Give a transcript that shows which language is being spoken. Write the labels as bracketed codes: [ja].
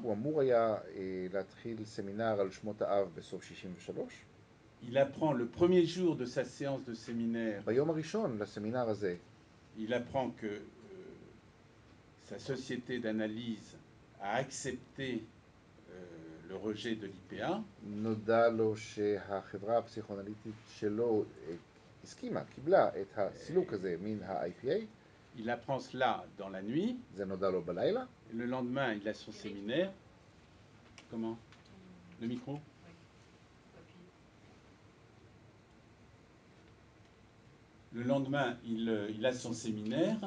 [he] הוא אמור היה להתחיל סמינר על שמות האב בסוף 63. [fr] Il apprend le premier jour de sa séance de séminaire. [he] ביום הראשון לסמינר הזה. [fr] Il apprend que sa société d'analyse a accepté le rejet de l'IPA. [he] נודע לו שהחברה הפסיכואנליטית שלו הסכימה, קיבלה את הסילוק הזה מן ה-IPA. [fr] Il apprend cela dans la nuit. Le lendemain, il a son séminaire. Comment ? Le micro ? Le lendemain, il a son séminaire.